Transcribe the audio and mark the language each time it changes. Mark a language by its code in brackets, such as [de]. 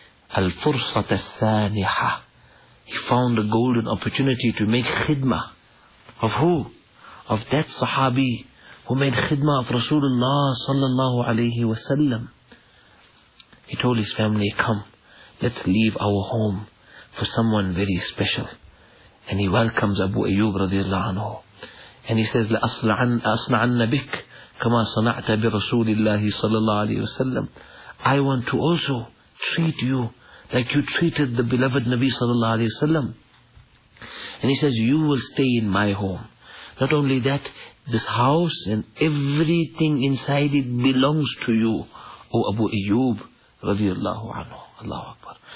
[ar] Al-fursat al-saniha. [en] He found a golden opportunity to make khidmah. Of who? Of that sahabi who made khidmah of Rasulullah sallallahu alayhi wa sallam. He told his family, come, let's leave our home for someone very special. And he welcomes Abu Ayyub radiallahu anhu. And he says, [ar] لَأَصْنَعَنَّ بِكْ كَمَا صَنَعْتَ بِرَسُولِ اللَّهِ صَلَى اللَّهُ عَلَيْهِ وَسَلَّمْ. [en] I want to also treat you like you treated the beloved Nabi sallallahu alayhi wasallam. And he says, you will stay in my home. Not only that, this house and everything inside it belongs to you, O Abu Ayyub radiallahu anhu. Allahu Akbar.